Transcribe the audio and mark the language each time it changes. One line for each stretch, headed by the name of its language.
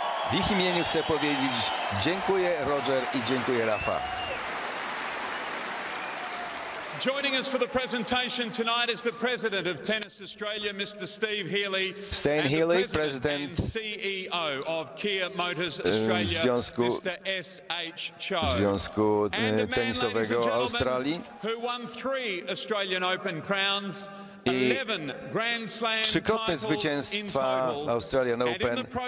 Polish: W ich imieniu chcę powiedzieć dziękuję Roger i dziękuję Rafa.
English: Joining us for the presentation tonight is the president of Tennis Australia, Mr. Steve Healy. Stan Healy, president and CEO of Kia Motors Australia, Mr. S.H. Cho.
Polish: Związku Tenisowego Australii,
English: who won 3 Australian Open crowns.
Polish: i trzykrotne zwycięstwa Australian Open.